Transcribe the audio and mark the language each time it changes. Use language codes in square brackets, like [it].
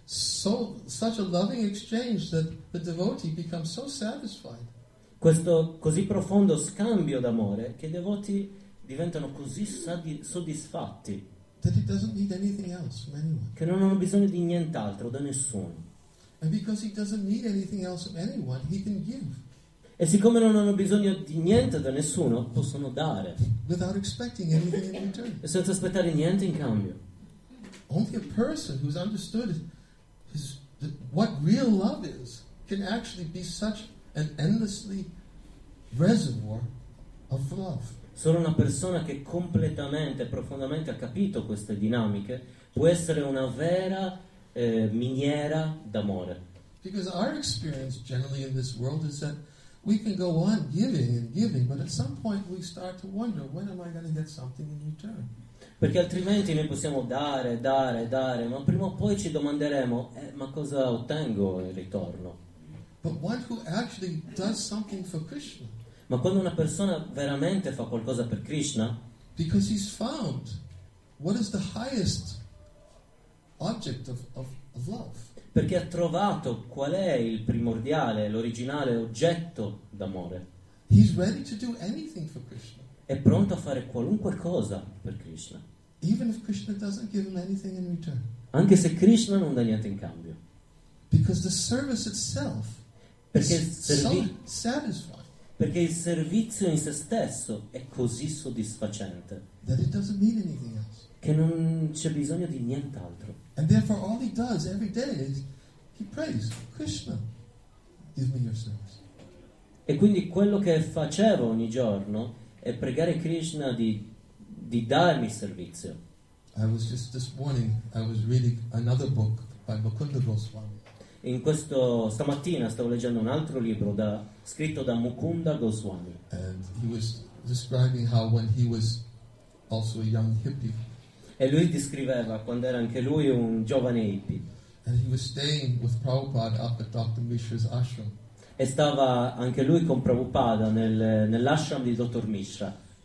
[en] So, such a loving exchange that the devotee becomes so satisfied. [it] Questo così profondo scambio d'amore che i devoti diventano così soddisfatti. [en] That he doesn't need anything else from anyone. [it] Che non hanno bisogno di nient'altro da nessuno. [en] And because he doesn't need anything else from anyone, he can give. [it] E siccome non hanno bisogno di niente da nessuno, possono dare. [en] Without expecting anything in return. [it] E senza aspettare niente in cambio. [en] Only a person who's understood his, the, what real love is can actually be such an endlessly reservoir of love. [it] Solo una persona che completamente, profondamente ha capito queste dinamiche può essere una vera miniera d'amore. [en] Because our experience generally in this world is that we can go on giving and giving, but at some point we start to wonder, when am I going to get something in return? [it] Perché altrimenti noi possiamo dare, dare, dare, ma prima o poi ci domanderemo, ma cosa ottengo in ritorno? [en] But one who actually does something for Krishna. [it] Ma quando una persona veramente fa qualcosa per Krishna, [en] because he's found what is the highest object of love. [it] Perché ha trovato qual è il primordiale, l'originale oggetto d'amore. [en] He's ready to do anything for Krishna. [it] È pronto a fare qualunque cosa per Krishna. [en] Even if Krishna doesn't give him anything in return. [it] Anche se Krishna non dà niente in cambio. [en] Because the service itself [it] perché [en] is so satisfying. [it] Perché il servizio in se stesso è così soddisfacente. [en] That it doesn't need anything else. [it] Che non c'è bisogno di nient'altro. [en] And therefore all he does every day is he prays, Krishna, give me your service. [it] E quindi quello che faceva ogni giorno è pregare Krishna di darmi servizio. [en] I was just this morning I was reading another book by Mukunda Goswami. [it] In questo stamattina stavo leggendo un altro libro da scritto da Mukunda Goswami. [en] And he was describing how when he was also a young hippie. [it] E lui descriveva quando era anche lui un giovane hippie. [en] He was staying with Prabhupada up at Dr. Mishra's ashram. [it] E stava anche lui con Prabhupada nell'ashram di Dottor Mishra.